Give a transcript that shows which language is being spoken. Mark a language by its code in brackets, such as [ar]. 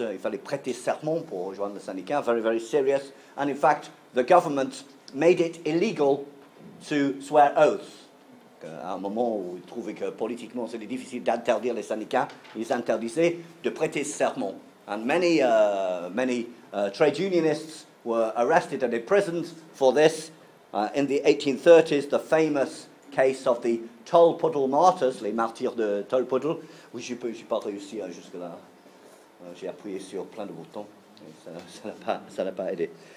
[fr] Il fallait prêter serment pour rejoindre le syndicat. [en] Very, very serious. And in fact, the government made it illegal to swear oaths. [fr] À un moment où ils trouvaient que politiquement c'était difficile d'interdire les syndicats, ils interdisaient de prêter serment. [en] And many many trade unionists were arrested and imprisoned for this. In the 1830s, the famous case of the Tolpuddle Martyrs, [fr] les martyrs de Tolpuddle. Oui, je n'ai pas réussi jusque-là. J'ai appuyé sur plein de boutons. Ça n'a pas aidé.